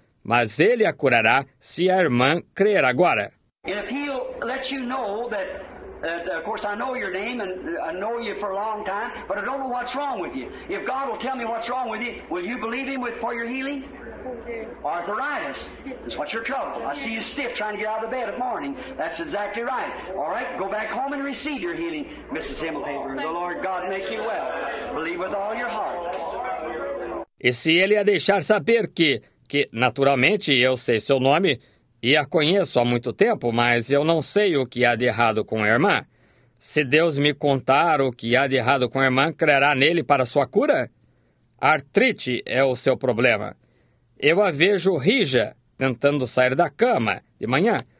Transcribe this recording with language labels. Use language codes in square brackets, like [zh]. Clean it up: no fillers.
[pt] Mas ele a curará se a irmã crer agora. [en] If he'll let you know that, of course I know your name and I know you for a long time, but I don't know what's wrong with you. If God will tell me what's wrong with you, will you believe him with for your healing? Arthritis is what's your trouble. I see you stiff trying to get out of the bed at morning. That's exactly right. All right, go back home and receive your healing, Mrs. Himmelhaber. The Lord God make you well. Believe with all your heart. [pt] E se ele a deixar saber que naturalmente eu sei seu nome e a conheço há muito tempo, mas eu não sei o que há de errado com a irmã. Se Deus me contar o que há de errado com a irmã, crerá nele para sua cura? Artrite é o seu problema. Eu a vejo rija, tentando sair da cama de manhã.